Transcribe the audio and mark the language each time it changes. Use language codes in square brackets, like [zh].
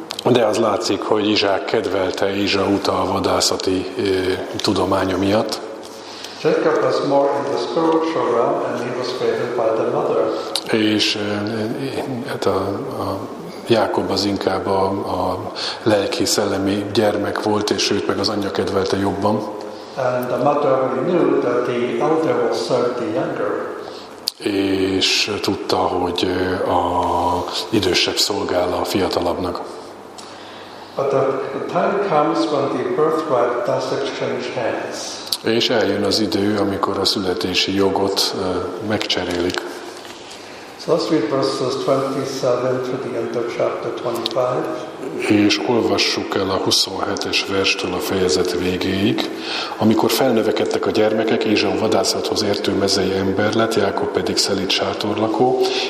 [hu] De az látszik, hogy Izsák kedvelte Ézsaut a vadászati tudománya miatt. [en] Jacob was more in the spiritual realm, and he was favored by the mother. [hu] És hát a Jákob az inkább a lelki szellemi gyermek volt, és őt meg az anyja kedvelte jobban. [en] And the mother knew that the elder will serve the younger. [hu] És tudta, hogy a idősebb szolgál a fiatalabbnak. [en] But the time comes when the birthright does exchange hands. [hu] És eljön az idő, amikor a születési jogot megcserélik. [en] So let's read verses 27 to the end of chapter 25. [hu] És olvassuk el a 27-es verstől a fejezet végéig. Amikor felnövekedtek a gyermekek, Ézsau vadászathoz értő mezei ember lett, Jákob pedig szelíd sátorlakó.